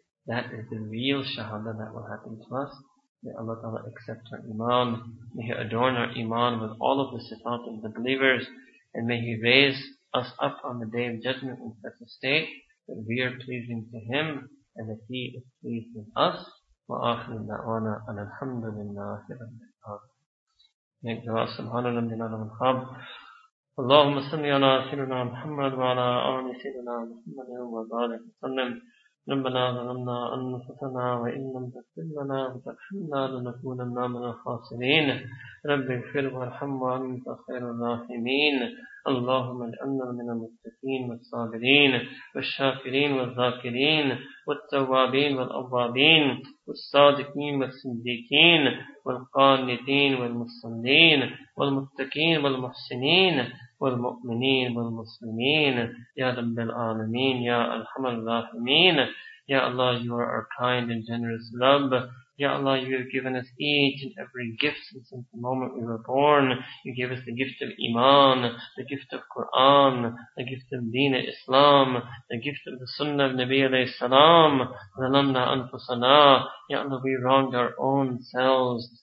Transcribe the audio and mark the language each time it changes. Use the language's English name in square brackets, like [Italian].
[English] That is the real shahada that will happen to us. May Allah Ta'ala accept our iman. May He adorn our iman with all of the sifat of the believers. And may He raise us up on the day of judgment in such a state that we are pleasing to Him and that He is pleased with us. [Arabic] Wa akhiru da'wana an alhamdulillahi rabbil alamin. نقدر الله سبحانه وتعالى من هذا الخب. اللهم صل على سيدنا محمد وعلى آل سيدنا محمد وبارك وسلم. ربنا ظلمنا أنفسنا وإن لم تغفر لنا وترحمنا لنكونن من الخاسرين. رب اغفر وارحم وأنت خير الراحمين. اللهم اجعلنا من المتقين والصابرين والشاكرين والذاكرين والتوابين والأوابين والصادقين والصديقين والقانتين والمصلين والمتقين والمحسنين والمؤمنين والمسلمين يا رب العالمين يا أرحم الراحمين يا الله [English] you are our kind and generous love. Ya Allah, you have given us each and every gift since the moment we were born. You gave us the gift of Iman, the gift of Quran, the gift of Deen Islam, the gift of the Sunnah of Nabi alayhi salam. [Arabic] Zalamna anfusana. [English] Ya Allah, we wronged our own selves.